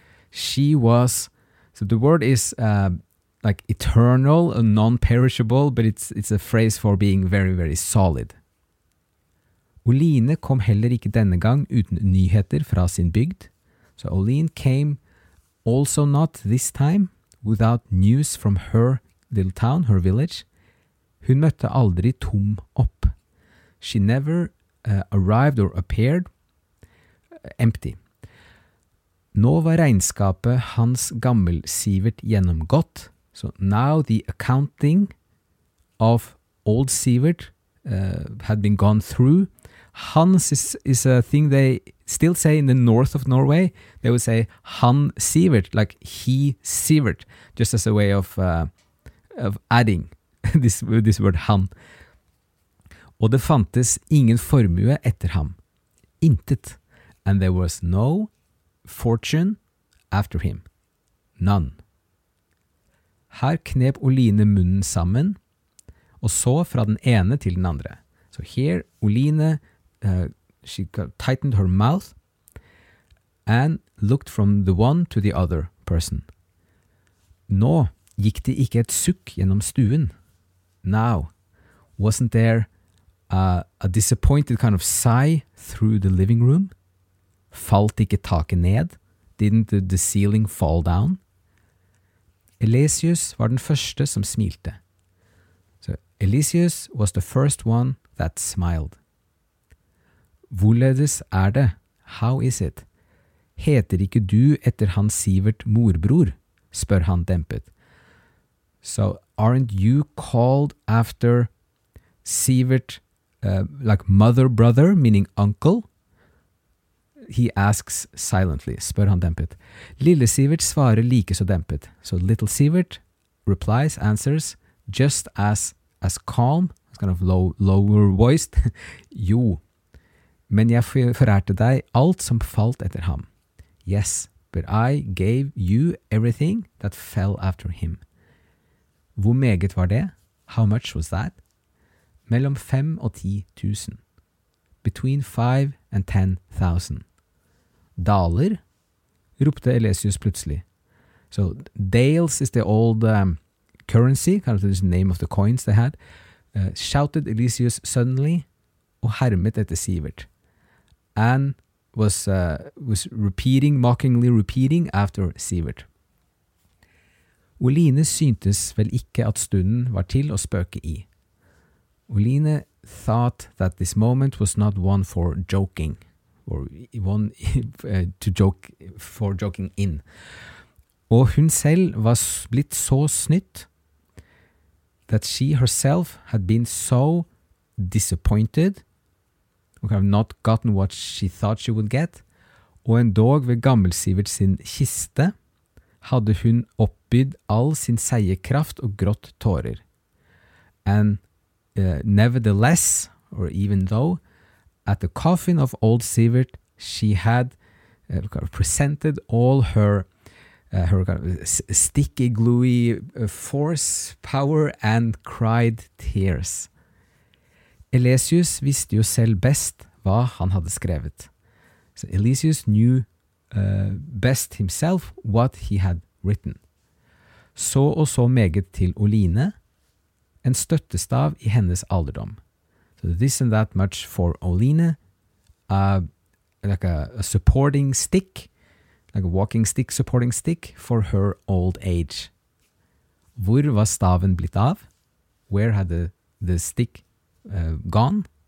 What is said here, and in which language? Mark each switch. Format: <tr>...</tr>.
<en>She was, so the word is like eternal, non-perishable, but it's a phrase for being very, very solid.</en> <no>Oline kom heller ikke denne gang uten nyheter fra sin bygd.</no> <en>So Oline came also not this time without news from her little town, her village.</en> <no>Hun møtte aldri tom opp.</no> <en>She never arrived or appeared empty.</en> <no>Nå var regnskapet hans gammelsivert gjennomgått.</no> <en>So now the accounting of old Sivert had been gone through. Hans is a thing they still say in the north of Norway. They would say han Sivert, like he Sivert, just as a way of adding this word han.</en> <no>Og det fantes ingen formue etter ham. Intet.</no> <en>And there was no fortune after him. None.</en> <no>Her knep Oline munnen sammen, og så fra den ene til den andre.</no> <en>So here, Oline, she tightened her mouth and looked from the one to the other person.</en> <no>Nå gikk det ikke et sukk gjennom stuen.</no> <en>Now, wasn't there a disappointed kind of sigh through the living room?</en> <no>Falt ikke taket ned?</no> <en>Didn't the ceiling fall down?</en> <no>Eliseus var den første som smilte.</no> <en>So, Eliseus was the first one that smiled.</en> <no>Hvorledes det?</no> <en>How is it?</en> <no>Heter ikke du etter Hans Sivert morbror? Spør han dempet.</no> <en>So, aren't you called after Sivert, like mother brother, meaning uncle? He asks silently,</en> <no>spør han dempet. Lille Sivert svarer like så dempet.</no> <en>So little Sivert replies, answers, just as calm, as kind of lower voiced.</en> <no>Jo, men jeg forærte deg alt som falt etter ham.</no> <en>Yes, but I gave you everything that fell after him.</en> <no>Hvor meget var det?</no> <en>How much was that?</en> <no>Mellom 5,000 and 10,000.</no> <en>Between 5,000 and 10,000. Daler?</en> <no>Ropte Eliseus plutselig.</no> <en>So, dales is the old currency, kind of the name of the coins they had. Shouted Eliseus suddenly,</en> <no>og hermet etter Sivert.</no> <en>And was repeating, mockingly repeating after Sivert.</en> <no>Oline syntes vel ikke at stunden var til å spøke I.</no> <en>Oline thought that this moment was not one for joking. Or one to joke for joking in.</en> <no>Og hun selv var blitt så snytt</no> <en>that she herself had been so disappointed or have not gotten what she thought she would get.</en> <no>Og en dag ved gammel Sivert sin kiste hadde hun oppbydd all sin seie kraft og grått tårer.</no> <en>And nevertheless, or even though, at the coffin of old Sivert, she had presented all her sticky, gluey force, power, and cried tears.</en> <no>Eliseus visste jo selv best hva han hadde skrevet.</no> <en>So Eliseus knew best himself what he had written.</en> <no>Så og så meget til Oline, en støttestav I hennes alderdom.</no> <en>So this and that much for Oline, like a supporting stick, like a walking stick, supporting stick for her old age.</en> <no>Hvor var staven blitt av?</no> <en>Where had the stick gone?</en>